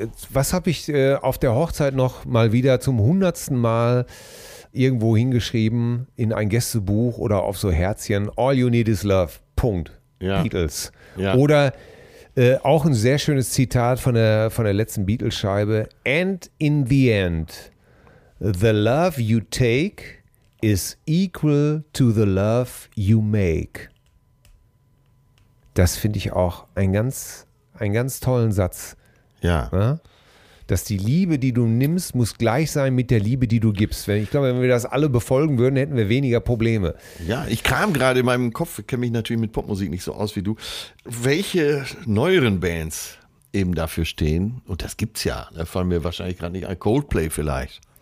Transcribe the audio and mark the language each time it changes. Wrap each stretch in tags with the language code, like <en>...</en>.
<de>Was habe ich auf der Hochzeit noch mal wieder zum 100. Mal irgendwo hingeschrieben in ein Gästebuch oder auf so Herzchen?</de> <en>All you need is love.</en> <de>Punkt. Ja. Beatles. Ja. Oder auch ein sehr schönes Zitat von der letzten Beatles-Scheibe.</de> <en>And in the end, the love you take is equal to the love you make.</en> <de>Das finde ich auch einen ganz tollen Satz. Ja. Ja. Dass die Liebe, die du nimmst, muss gleich sein mit der Liebe, die du gibst. Ich glaube, wenn wir das alle befolgen würden, hätten wir weniger Probleme. Ja, ich kam gerade in meinem Kopf, kenne mich natürlich mit Popmusik nicht so aus wie du, welche neueren Bands eben dafür stehen, und das gibt's ja, da fallen mir wahrscheinlich gerade nicht ein, Coldplay vielleicht.</de>